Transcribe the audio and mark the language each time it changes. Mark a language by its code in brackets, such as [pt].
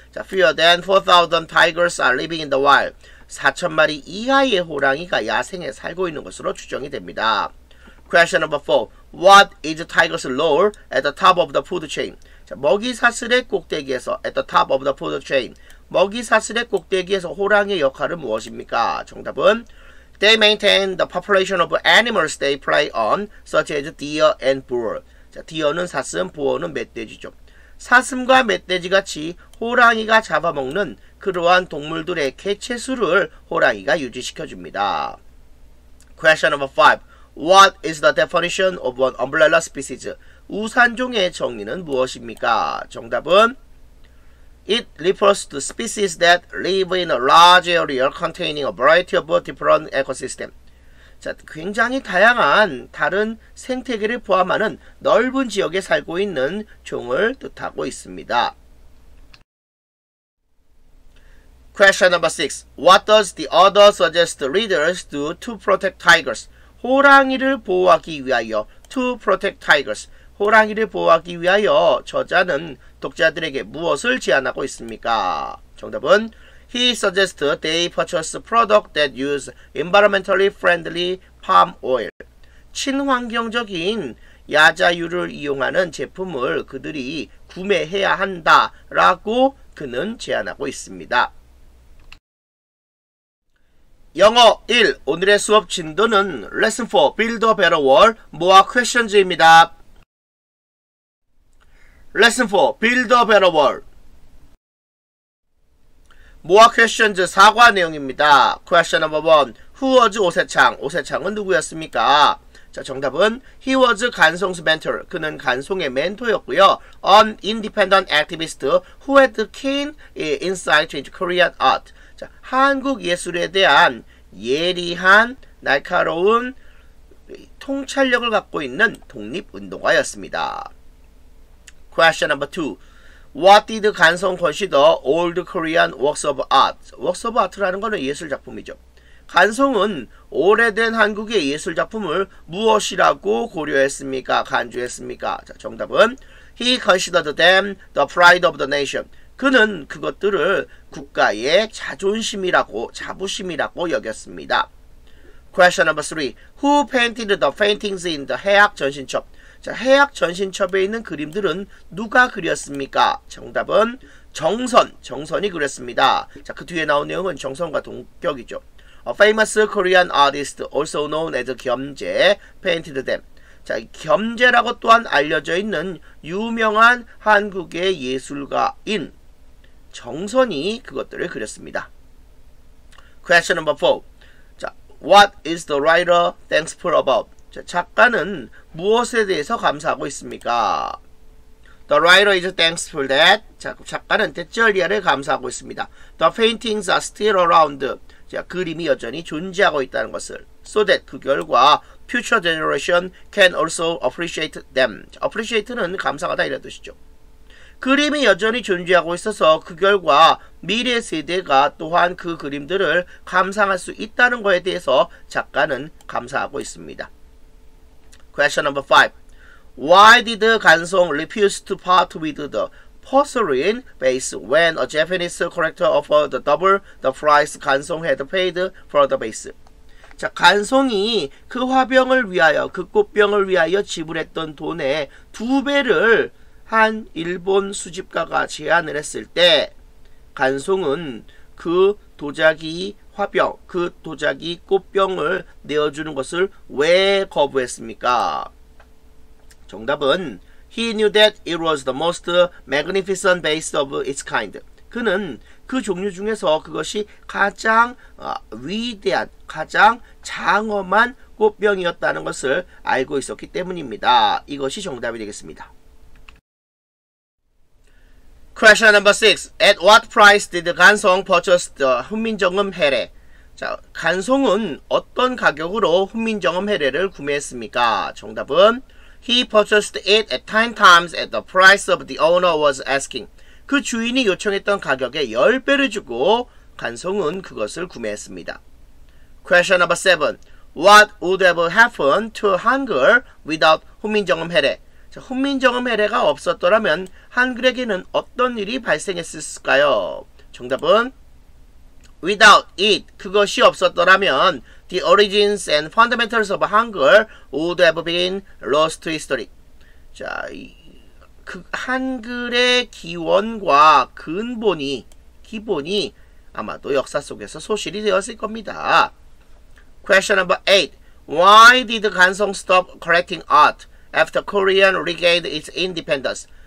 [en] 자, fewer than 4,000 tigers are living in the wild. [ko] 4,000마리 이하의 호랑이가 야생에 살고 있는 것으로 추정이 됩니다. [en] Question number 4. What is tiger's lore at the top of the food chain? 자, [ko] 먹이사슬의 꼭대기에서 [en] at the top of the food chain. [ko] 먹이사슬의 꼭대기에서 호랑이의 역할은 무엇입니까? [en] 정답은 They maintain the population of animals they prey on, such as deer and boar. [ko] 자, deer는 사슴, boar는 멧돼지죠. 사슴과 멧돼지같이 호랑이가 잡아먹는 그러한 동물들의 개체수를 호랑이가 유지시켜줍니다. [en] Question number 5. What is the definition of an umbrella species? [ko] 우산종의 정의는 무엇입니까? [en] 정답은 It refers to species that live in a large area containing a variety of different ecosystems. [ko] 자, 굉장히 다양한 다른 생태계를 포함하는 넓은 지역에 살고 있는 종을 뜻하고 있습니다. [en] Question number 6. What does the author suggest readers do to protect tigers? [ko] 호랑이를 보호하기 위하여 [en] To protect tigers [ko] 호랑이를 보호하기 위하여 저자는 독자들에게 무엇을 제안하고 있습니까? [en] 정답은 He suggests they purchase products that use environmentally friendly palm oil. [ko] 친환경적인 야자유를 이용하는 제품을 그들이 구매해야 한다라고 그는 제안하고 있습니다. 영어 1. 오늘의 수업 진도는 Lesson 4. Build a Better World. [en] More Questions입니다. Lesson 4. Build a Better World. More Questions [ko] 사과 내용입니다. [en] Question number 1. Who was 오세창? [ko] 오세창은 누구였습니까? [en] 자, 정답은 He was 간송's mentor. [ko] 그는 간송의 멘토였고요. [en] An independent activist who had keen insight into Korean art. [ko] 자, 한국 예술에 대한 예리한 날카로운 통찰력을 갖고 있는 독립운동가였습니다. [en] Question number 2. What did 간송 consider old Korean works of art? Works of art [ko] 라는 것은 예술작품이죠. 간송은 오래된 한국의 예술작품을 무엇이라고 고려했습니까? 간주했습니까? [en] 자, 정답은 He considered them the pride of the nation. [ko] 그는 그것들을 국가의 자존심이라고 자부심이라고 여겼습니다. [en] Question number 3. Who painted the paintings in the 해악 전신첩? [ko] 자, 해악 전신첩에 있는 그림들은 누가 그렸습니까? 정답은 정선이 그렸습니다. 자, 그 뒤에 나온 내용은 정선과 동격이죠. [en] A famous Korean artist also known as 겸재 painted them. [ko] 자, 겸재라고 또한 알려져 있는 유명한 한국의 예술가인 정선이 그것들을 그렸습니다. [en] Question number 4. 자, what is the writer thankful about? [ko] 자, 작가는 무엇에 대해서 감사하고 있습니까? [en] The writer is thankful that [ko] 자, 작가는 데절리아를 감사하고 있습니다. [en] The paintings are still around. [ko] 자, 그림이 여전히 존재하고 있다는 것을 [en] so that [ko] 그 결과 [en] future generation can also appreciate them. [ko] 자, appreciate는 감사하다 이런 뜻이죠. 그림이 여전히 존재하고 있어서 그 결과 미래 세대가 또한 그 그림들을 감상할 수 있다는 것에 대해서 작가는 감사하고 있습니다. [en] Question number 5. Why did 간송 refuse to part with the porcelain vase when a Japanese collector offered double the price 간송 had paid for the vase? [ko] 자, 간송이 그 화병을 위하여, 그 꽃병을 위하여 지불했던 돈의 두 배를 한 일본 수집가가 제안을 했을 때 간송은 그 도자기 화병, 그 도자기 꽃병을 내어주는 것을 왜 거부했습니까? [en] 정답은 He knew that it was the most magnificent vase of its kind. [ko] 그는 그 종류 중에서 그것이 가장 위대한, 가장 장엄한 꽃병이었다는 것을 알고 있었기 때문입니다. 이것이 정답이 되겠습니다. [en] Question number 6. At what price did 간송 purchase the 훈민정음 해례? [ko] 자, 간송은 어떤 가격으로 훈민정음 해례를 구매했습니까? [en] 정답은 He purchased it at 10 times at the price of the owner was asking. [ko] 그 주인이 요청했던 가격에 10배를 주고 간송은 그것을 구매했습니다. [en] Question number 7. What would have happened to Hangul without 훈민정음 해례? [ko] 훈민정음 해례가 없었더라면 한글에게는 어떤 일이 발생했을까요? [en] 정답은 Without it, [ko] 그것이 없었더라면 [en] The origins and fundamentals of Hangul would have been lost to history. [ko] 자, 그 한글의 기원과 근본이, 기본이 아마도 역사 속에서 소실이 되었을 겁니다. [en] Question number 8. Why did 간송 stop collecting art after Korean regained its independence?